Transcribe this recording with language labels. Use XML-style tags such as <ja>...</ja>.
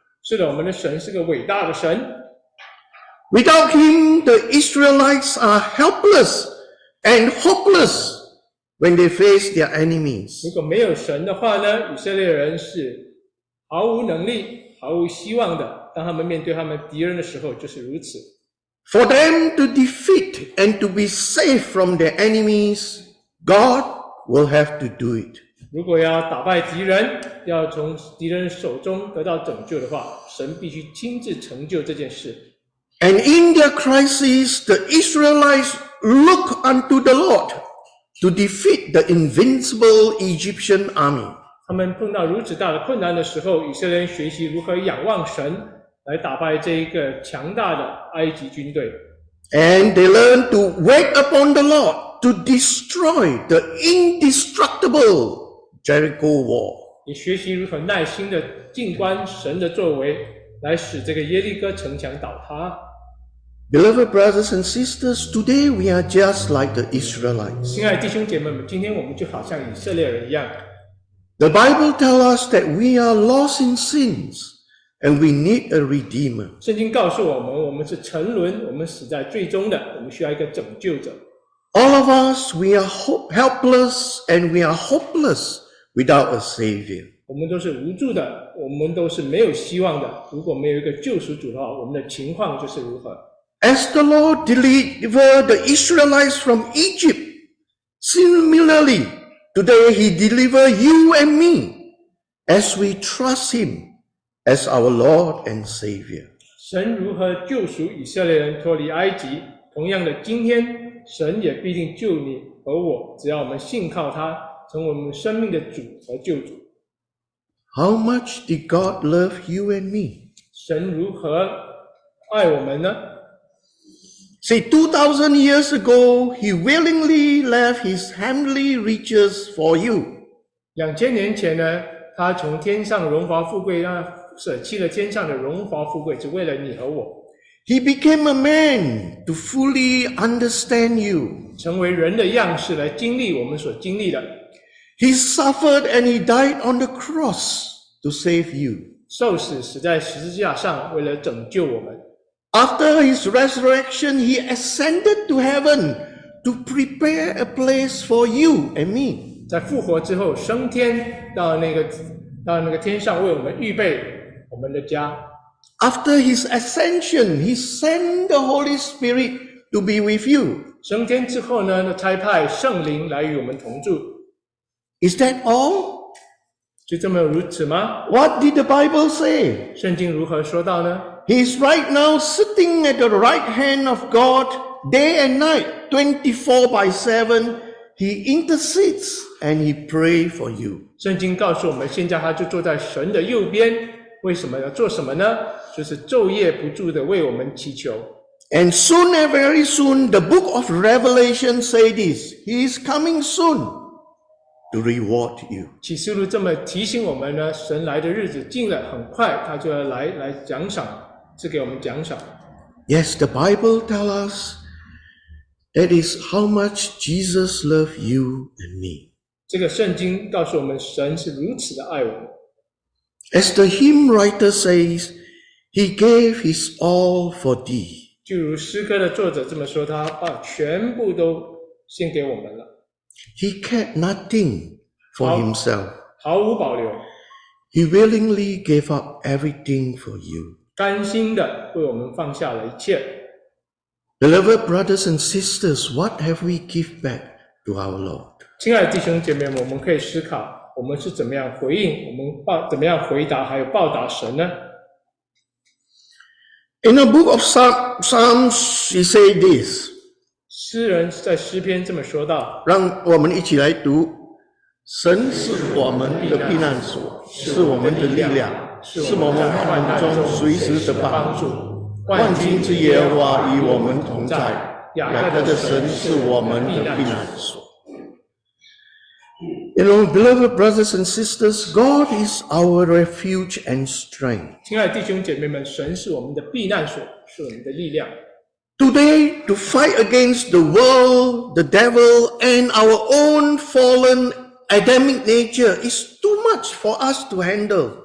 <zh>是的，我们的神是个伟大的神。</zh> <en>Without Him, the Israelites are helpless and hopeless when they face their enemies.</en> <zh>如果没有神的话呢，以色列人是毫无能力、毫无希望的。当他们面对他们敌人的时候，就是如此。</zh> <en>For them to defeat and to be safe from their enemies, God will have to do it.</en> <zh>如果要打败敌人，要从敌人手中得到拯救的话，神必须亲自成就这件事。</zh> <en>And in their crisis, the Israelites look unto the Lord to defeat the invincible Egyptian army.</en> <zh>他们碰到如此大的困难的时候，以色列人学习如何仰望神。来打败这一个强大的埃及军队。</zh> <en>And they learn to wait upon the Lord to destroy the indestructible Jericho wall.</en> <zh>也学习如何耐心的静观神的作为，来使这个耶利哥城墙倒塌。</zh> <en>Beloved brothers and sisters, today we are just like the Israelites.</en> <zh>亲爱的弟兄姐妹们，今天我们就好像以色列人一样。</zh> <en>The Bible tells us that we are lost in sins. And we need a redeemer.</en> <zh>圣经告诉我们，我们是沉沦，我们死在罪中的，我们需要一个拯救者。</zh> <en>All of us, we are helpless and we are hopeless without a savior.</en> <zh>我们都是无助的，我们都是没有希望的。如果没有一个救赎主的话，我们的情况就是如何。</zh> <en>As the Lord delivered the Israelites from Egypt, similarly, today He delivered you and me as we trust Him. As our Lord and Savior.</en> <zh>神如何救赎以色列人脱离埃及？同样的，今天神也必定救你和我，只要我们信靠他，成为我们生命的主和救主。</zh> <en>How much did God love you and me?</en> <zh>神如何爱我们呢？</zh> <en>See, 2,000 years ago, He willingly left His heavenly riches for you.</en> <zh>2,000 年前呢，他从天上荣华富贵让舍弃了天上的荣华富贵，只为了你和我。</zh> <en>He became a man to fully understand you.</en> <zh>成为人的样式来经历我们所经历的。</zh> <en>He suffered and he died on the cross to save you.</en> <zh>受死死在十字架上，为了拯救我们。</zh> <en>After his resurrection, he ascended to heaven to prepare a place for you and me.</en> <zh>在复活之后升天到那个天上，为我们预备。我们的家</zh> <en>After his ascension, he sent the Holy Spirit to be with you.</en> <zh>升天之后呢，差派圣灵来与我们同住。</zh> <en>Is that all?</en> <zh>就这么如此吗？</zh> <en>What did the Bible say?</en> <zh>圣经如何说到呢？</zh> <en>He's right now sitting at the right hand of God, day and night, 24/7. He intercedes and he pray for you.</en> <zh>圣经告诉我们，现在他就坐在神的右边。为什么要做什么呢？就是昼夜不住的为我们祈求。</zh> <en>And soon, very soon, the book of Revelation say this, he is coming soon to reward you.</en> <zh>启示录这么提醒我们呢，神来的日子近了，很快他就要来奖赏，赐给我们奖赏。</zh> <en>Yes, the Bible tell us that is how much Jesus love you and me.</en> <zh>这个圣经告诉我们，神是如此的爱我们。</zh> <en>As the hymn writer says, he gave his all for thee.</en> <zh>就如诗歌的作者这么说，他把全部都献给我们了。</zh> <en>He kept nothing for himself.</en> <zh>毫无保留。</zh> <en>He willingly gave up everything for you.</en> <zh>甘心的为我们放下了一切。</zh> <en>Beloved brothers and sisters, what have we give back to our Lord?</en> <zh>亲爱的弟兄姐妹们，我们可以思考。我们是怎么样回应？我们怎么样回答？还有报答神呢</zh> <en>？In the book of Psalms, he say this.</en> <zh>诗人在诗篇这么说道。让我们一起来读：神是我们的避难所，是我们的力量，是我们患难中随时的帮助。万军之耶和华与我们同在，雅各的神是我们的避难所。</zh> <en>You know, beloved brothers and sisters, God is our refuge and strength.</en> <zh>亲爱的弟兄姐妹们，神是我们的避难所，是我们的力量。</zh> <en>Today, to fight against the world, the devil, and our own fallen Adamic nature is too much for us to handle.</en>